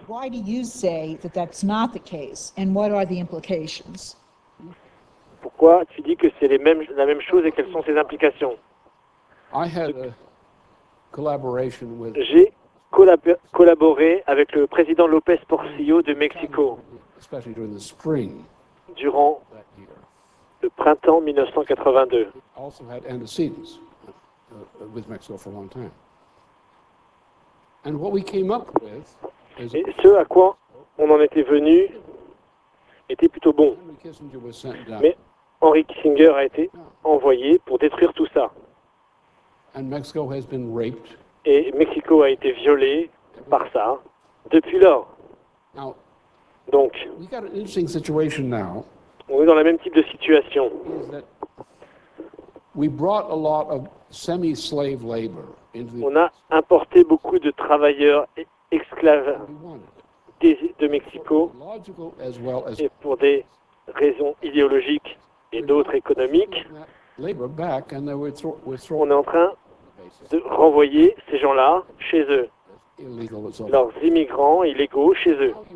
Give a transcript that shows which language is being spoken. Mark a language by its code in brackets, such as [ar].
[en] Why do you say that that's not the case, and what are the implications? [fr] Pourquoi tu dis que c'est la même chose et quelles sont ses implications? [en] I had a collaboration with. [fr] J'ai collaboré avec le président López Portillo de Mexico. [en] Especially during the spring. [fr] Durant le printemps 1982. [en] Also had antecedents with Mexico for a long time. And what we came up with is. [fr] Et ce à quoi on en était venu était plutôt bon. Mais Henry Kissinger a été envoyé pour détruire tout ça. [en] And Mexico has been raped. [fr] Et Mexico a été violé par ça depuis lors. [en] Now, [fr] donc, [en] we got an interesting situation now. [fr] On est dans la même type de situation. [en] We brought a lot of semi-slave labor into the. [fr] On a importé beaucoup de travailleurs esclaves de Mexico, [en] as well as [fr] et pour des raisons idéologiques et d'autres économiques. [en] Labor back, and then [fr] on est en train de renvoyer ces gens-là chez eux, leurs immigrants illégaux chez eux.